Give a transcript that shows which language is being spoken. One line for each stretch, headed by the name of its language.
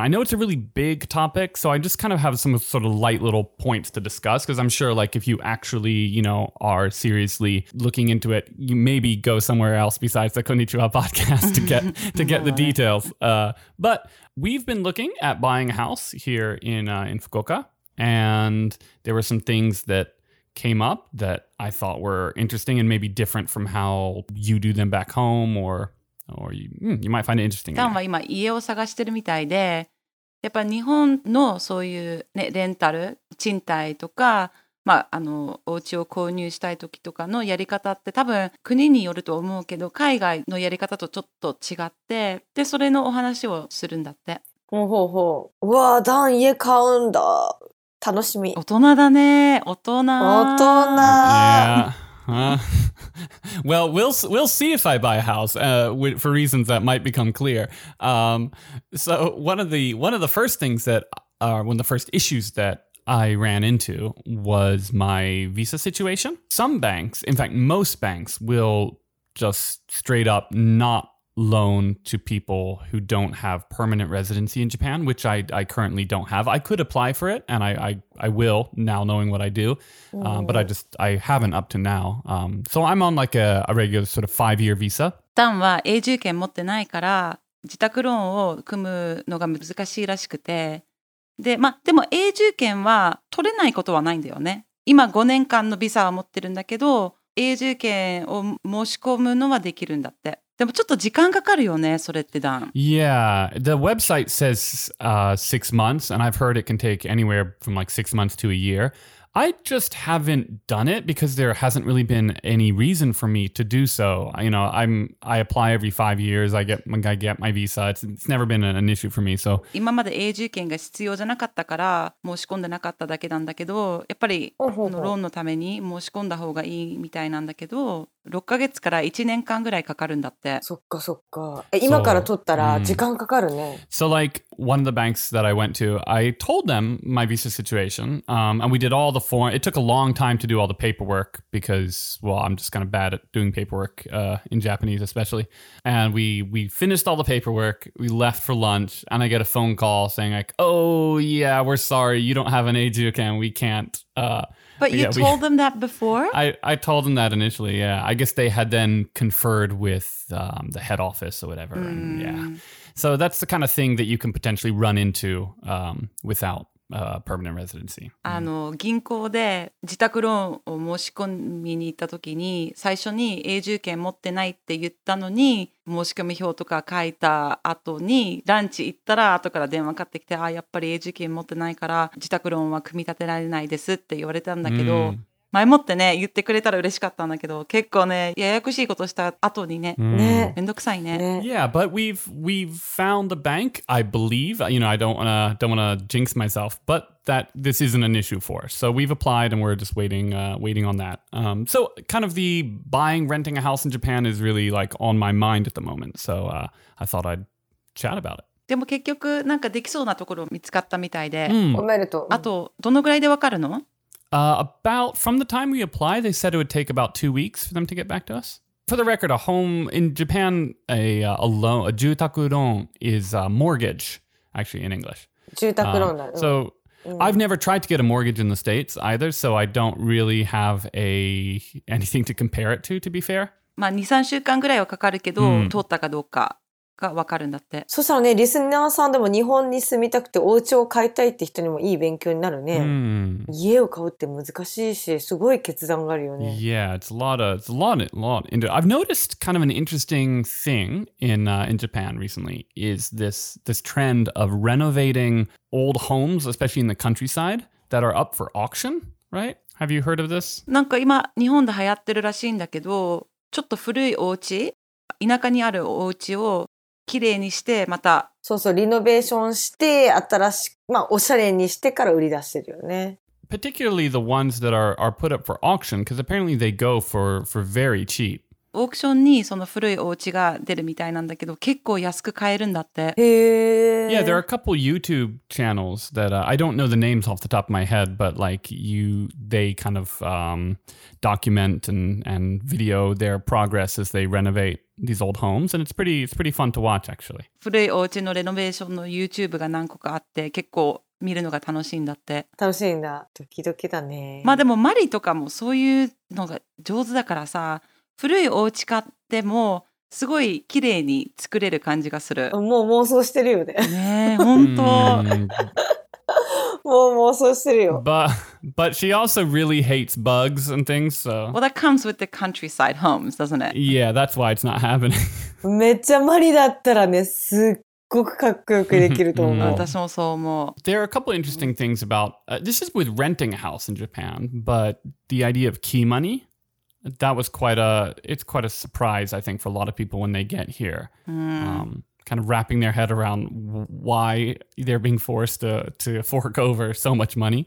English: I know it's a really big topic, so I just kind of have some sort of light little points to discuss, because I'm sure, like, if you actually, you know, are seriously looking into it, you maybe go somewhere else besides the Konnichiwa podcast to get the details. But we've been looking at buying a house here in Fukuoka. And there were some things that came up that I thought were interesting and maybe different from how you do them back home or you might find it interesting.
Japanese: タンは今家を探してるみたいで、やっぱ日本のそういう、ね、レンタル、賃貸とか、まあ、あのお家を購入したい時とかのやり方って多分国によると思うけど、海外のやり方とちょっと違って、で、それのお話をするんだって。ほうほうほう。うわぁ、ダン家買うんだ。楽しみ。大人だね。大人。大人。
English: Yeah. Well, we'll see if I buy a house for reasons that might become clear. So one of the first things that are one of the first issues that I ran into was my visa situation. Some banks, in fact, most banks will just straight up not loan to people who don't have permanent residency in Japan, which I currently don't have. I could apply for it, and I will now knowing what I do, but I haven't up to now. So I'm on like a regular sort of 5-year visa.
Japanese: タンは永住権持ってないから自宅ローンを組むのが難しいらしくて、で、まあ、でも永住権は取れないことはないんだよね。今5年間のビザは持ってるんだけど、永住権を申し込むのはできるんだって。でもちょっと時間かかるよね、それってだん。
English: Yeah, the website says 6 months, and I've heard it can take anywhere from like 6 months to a year. I just haven't done it because there hasn't really been any reason for me to do so. You know, I apply every 5 years, I get my visa. It's never been an issue for me, so.
Japanese: 今まで永住権が必要じゃなかったから申し込んでなかっただけなんだけど、やっぱりこのローンのために申し込んだ方がいいみたいなんだけど、6ヶ月から1年間ぐらいかかるんだって。そっかそっか。今から取ったら時間かかるね。
English: So like one of the banks that I went to, I told them my visa situation, and we did all the form. It took a long time to do all the paperwork because, well, I'm just kind of bad at doing paperwork in Japanese especially. And we finished all the paperwork, we left for lunch, and I get a phone call saying like, oh yeah, we're sorry, you don't have an Eijuken, we can't. But you told them that before? I told them that initially, yeah. I guess they had then conferred with the head office or whatever. And, yeah. So that's the kind of thing that you can potentially run into without permanent residency. あの、銀行で自宅ローンを申し込みに行った時に、最初に永住権持ってないって言ったのに、申し込み表とか書いた後にランチ行ったら後から電話かってきて、あ、やっぱり永住権持ってないから自宅ローンは組み立てられないですって言われたんだけど、前もってね言ってくれたら嬉しかったんだけど、結構ねややこしいことした後にね、めんどくさいね。 Yeah, but we've found the bank, I believe. You know, I don't wanna jinx myself, but that this isn't an issue for. So we've applied and we're just waiting on that. So kind of the buying, renting a house in Japan is really like on my mind at the moment. So I thought I'd chat about it.
Japanese: でも結局なんかできそうなところ見つかったみたいで、おめでとう。あとどのぐらいでわかるの？
English: About from the time we apply, they said it would take about 2 weeks for them to get back to us. For the record, a home in Japan, a loan, a jūtaku ron is a mortgage, actually in English. Jūtaku ron. So I've never tried to get a mortgage in the States either, so I don't really have anything to compare it to be fair.
Japanese: まあ2、3週間ぐらいはかかるけど、通ったかどうか。がわかるんだって。そしたらね、リスナーさんでも日本に住みたくてお家を買いたいって人にもいい勉強になるね。うん、家を買うって難しいし、すごい決断があるよね。
English: Yeah, it's a lot. I've noticed kind of an interesting thing in Japan recently is this trend of renovating old homes, especially in the countryside, that are up for auction, right? Have you heard of this?
Japanese: なんか今日本で流行ってるらしいんだけど、ちょっと古いお家、田舎にあるお家をきれいにして、またそうそう、リノベーションして新しく、まあ、おしゃれにしてから売り出してるよね。
English: Particularly the ones that are put up for auction, because apparently they go for very cheap.
Japanese: オークションにその古いお家が出るみたいなんだけど、結構安く買えるんだって。へえ。
English: Yeah, there are a couple YouTube channels that I don't know the names off the top of my head, but like they kind of document and video their progress as they renovateThese old homes, and it's pretty fun to watch, actually.
Japanese: 古いお家のレノベーションの YouTube が何個かあって、結構見るのが楽しいんだって。楽しいんだ。ドキドキだね。まあでもマリとかもそういうのが上手だからさ、古いお家買ってもすごい綺麗に作れる感じがする。もう妄想してるよね。ねえ、本当。もう妄想してるよ。
English: But she also really hates bugs and things, so... Well, that comes with the countryside homes, doesn't it? Yeah, that's why it's not happening.
Japanese: めっちゃマリだったらね、すっごくかっこよくできると思う。私もそう思う。
English: There are a couple interesting things about... this is with renting a house in Japan, but the idea of key money, that was quite a... It's quite a surprise, I think, for a lot of people when they get here. Kind of wrapping their head around why they're being forced to fork over so much money.